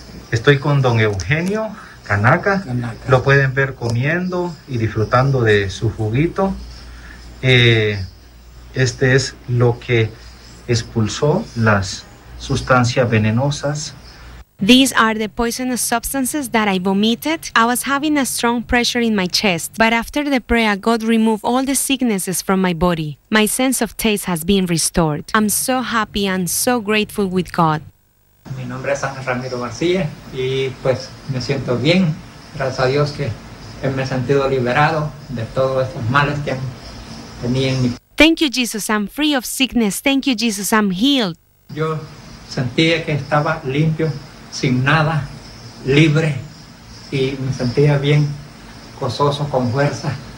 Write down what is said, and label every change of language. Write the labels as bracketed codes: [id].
[es] Estoy con don Eugenio Canaca. Lo pueden ver comiendo y disfrutando de su juguito. Este es lo que expulsó las sustancias venenosas. [en] These are the poisonous substances that I vomited. I was having a strong pressure in my chest, but after the prayer, God removed all the sicknesses from my body. My sense of taste has been restored. I'm so happy and so grateful with God. [es] Mi nombre es Ángel Ramiro García y pues me siento bien. Gracias a Dios que me he sentido liberado de todos estos males que tenía en mi. [en] Thank you, Jesus. I'm free of sickness. Thank you, Jesus. I'm healed. [es] Yo sentía que estaba limpio, sin nada, libre, y me sentía bien, gozoso, con fuerza.